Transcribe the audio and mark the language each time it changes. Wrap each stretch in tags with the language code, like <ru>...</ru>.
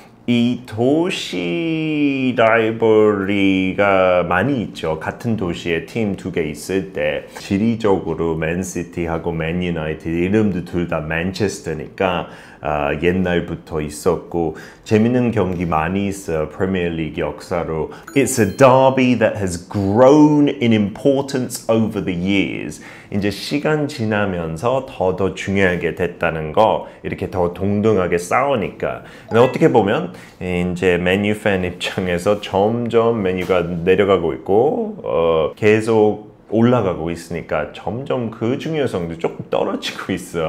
<ko>이 도시 라이벌리가 많이 있죠. 같은 도시에 팀 두 개 있을 때 지리적으로 맨시티하고 맨유나이티드 이름도 둘 다 맨체스터니까 옛날부터 있었고 재밌는 경기 많이 있어요. 프리미어리그 역사로</ko> <en>It's a derby that has grown in importance over the years.</en> <ko>이제 시간 지나면서 더더 중요하게 됐다는 거 이렇게 더 동등하게 싸우니까 근데 어떻게 보면 이제 맨유 팬 입장에서 점점 맨유가 내려가고 있고 계속 올라가고 있으니까 점점 그 중요성도 조금 떨어지고 있어요.</ko>